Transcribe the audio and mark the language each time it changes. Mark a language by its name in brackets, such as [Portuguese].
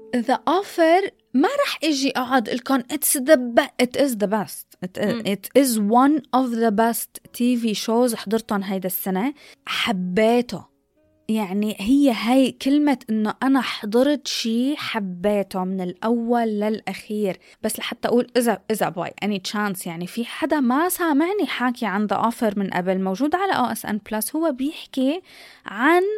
[Arabic] The offer ما رح إجي أقعد لكم. [English] It is the best. It is one of the best TV shows [Arabic] حضرتهم هيدا السنة. حبيته. يعني هي كلمة إنه أنا حضرت شيء حبيته من الأول للأخير. بس لحتى أقول إذا [English] by any chance, [Arabic] يعني في حدا ما سامعني حاكي عن The Offer من قبل, موجود على OSN Plus. هو بيحكي عن